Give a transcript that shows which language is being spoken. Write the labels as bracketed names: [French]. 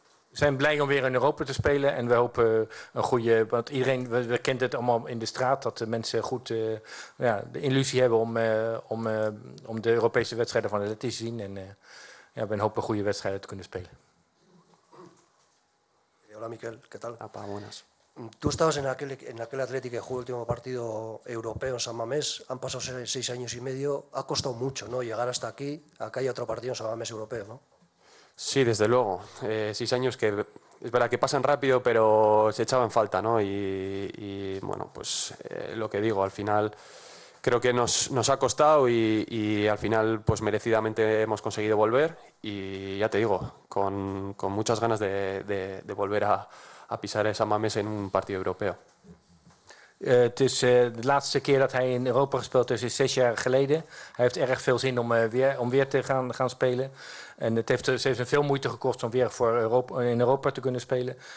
[Dutch] We zijn blij om weer in Europa te spelen en we hopen een goede, want iedereen, we kennen het allemaal in de straat, dat de mensen goed de illusie hebben om de Europese wedstrijden van Atleti te zien. En we hopen goede wedstrijden te kunnen spelen. [Spanish] Hola Mikel, ¿qué tal? Apa, buenas. Tú estabas en aquel Atleti que jugó el último partido europeo en San Mamés, han pasado 6 años y medio, ha costado mucho, ¿no? Llegar hasta aquí, acá hay otro partido en San Mamés europeo, ¿no? Sí, desde luego. 6 años que es verdad que pasan rápido, pero se echaban falta, ¿no? Y bueno, pues lo que digo, al final creo que nos ha costado y al final pues merecidamente hemos conseguido volver y ya te digo, con muchas ganas de volver a pisar esa Mamés en un partido europeo. [Dutch] Het is de laatste keer dat hij in Europa gespeeld is 6 jaar geleden. Hij heeft erg veel zin om weer te gaan spelen. En ze heeft hem veel moeite gekost om weer in Europa te kunnen spelen.